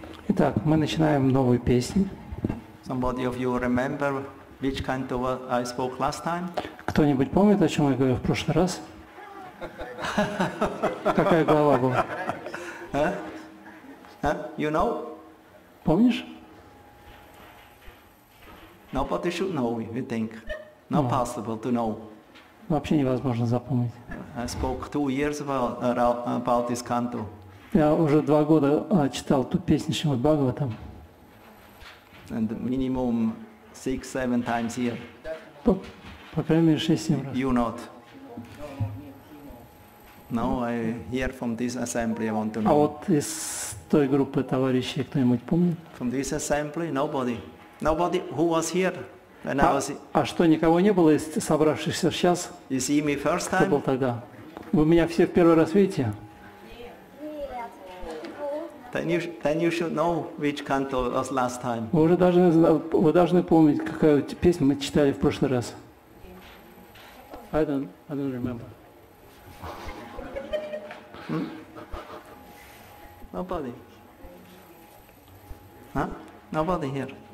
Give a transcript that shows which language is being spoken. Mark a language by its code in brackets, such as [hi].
[ru] Итак, мы начинаем новую песню. [en] Somebody of you remember which canto I spoke last time? [ru] Кто-нибудь помнит, о чем я говорил в прошлый раз? Какая глава была? [en] You know? [ru] Помнишь? [en] Nobody should know, you think. Not possible to know. [ru] Вообще невозможно запомнить. [en] I spoke 2 years about this canto. [ru] Я уже 2 года читал ту песню Шримад Бхагаватам. [en] And minimum 6-7 times here. [ru] По крайней мере 6-7 раз. [en] You not. No, I hear from this assembly, I want to know. [ru] А вот из той группы товарищей кто-нибудь помнит? [en] From this assembly, nobody. Nobody who was here when I was... [ru] А что, никого не было из собравшихся сейчас? [en] You see me first time? [ru] Кто был тогда? Вы меня все в первый раз видите? [en] Then you should know which canto was last time. [ru] Вы должны помнить, какую песню мы читали в прошлый раз. [en] I don't remember. Nobody. Huh? Nobody here.